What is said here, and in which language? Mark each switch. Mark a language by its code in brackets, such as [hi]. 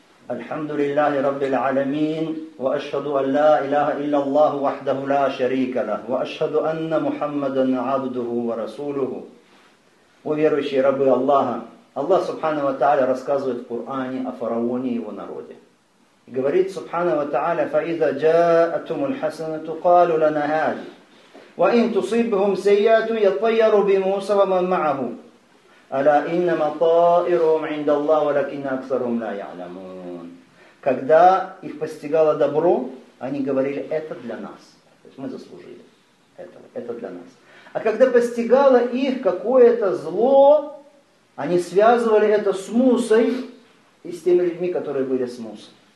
[ar] الحمد لله رب العالمين، وأشهد أن لا إله إلا الله وحده لا شريك له، وأشهد أن محمدا عبده ورسوله. [ru] Уверующие рабы Аллаха, Аллах Субхана ва Тааля рассказывает в Коране о фараоне и его народе. И говорит Субхана ва Тааля: [ar] فَإِذَا جَاءَتْهُمُ الْحَسَنَةُ قَالُوا لَنَا هَذِهِ وَإِن تُصِبْهُمْ سَيِّئَةٌ يَطَّيَّرُوا بِمُوسَى وَمَن مَّعَهُ أَلَا إِنَّمَا طَائِرُهُمْ عِندَ اللَّهِ وَلَكِنَّ أَكْثَرَهُمْ لَا يَعْلَمُونَ. [ru] Когда их постигало добро, они говорили: это для нас. То есть мы заслужили этого, это для нас. А когда постигало их какое-то зло, они связывали это с Мусой и с теми людьми, которые были с Мусой.